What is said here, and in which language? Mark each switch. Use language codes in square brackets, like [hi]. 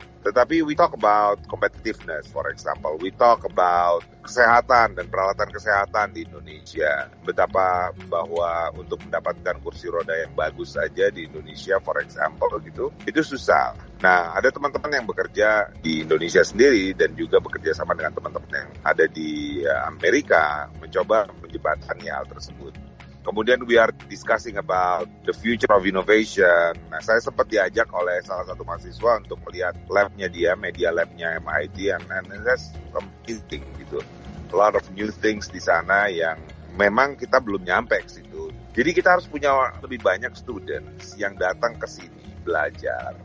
[id] Tetapi [en] we talk about competitiveness, for example. We talk about [id] kesehatan dan peralatan kesehatan di Indonesia. Betapa bahwa untuk mendapatkan kursi roda yang bagus saja di Indonesia, [en] for example, [id] gitu, itu susah. Nah, ada teman-teman yang bekerja di Indonesia sendiri dan juga bekerja sama dengan teman-teman yang ada di Amerika mencoba menjembatani hal tersebut. Kemudian [en] we are discussing about the future of innovation. [id] Nah, saya sempat diajak oleh salah satu mahasiswa untuk melihat labnya dia, media labnya MIT, [en] and that's something [id] gitu. [en] A lot of new things [id] di sana yang memang kita belum nyampe ke situ. Jadi kita harus punya lebih banyak students yang datang ke sini belajar.